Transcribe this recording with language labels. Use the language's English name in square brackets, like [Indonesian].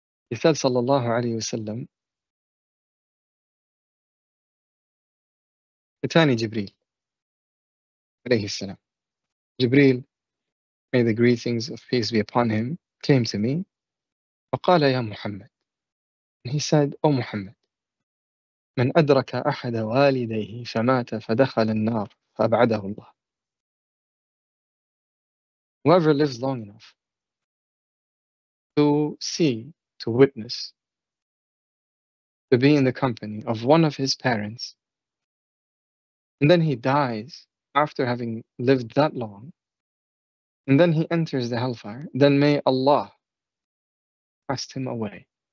[English] He said [Arabic] sallallahu alayhi wa sallam, Atani Jibreel alayhi salam. [English] Jibreel, may the greetings of peace be upon him, came to me. [Arabic] فقال يا محمد. [English] And he said, O Muhammad, [Arabic] من أدرك أحد والديه فمات فدخل النار فأبعده الله. [English] Whoever lives long enough to see, to witness, to be in the company of one of his parents, and then he dies after having lived that long, and then he enters the hellfire, then may Allah cast him away.